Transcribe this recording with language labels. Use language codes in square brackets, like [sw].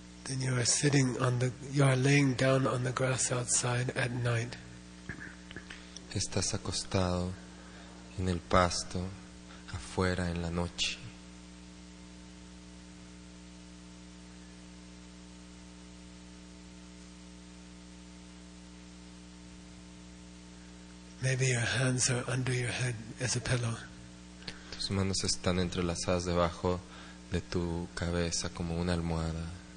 [en] And you are sitting on the, you are laying down on the grass outside at night. [es] Estás acostado en el pasto afuera en la noche. [en] Maybe your hands are under your head as a pillow. [es] Tus manos están entrelazadas debajo de tu cabeza como una almohada.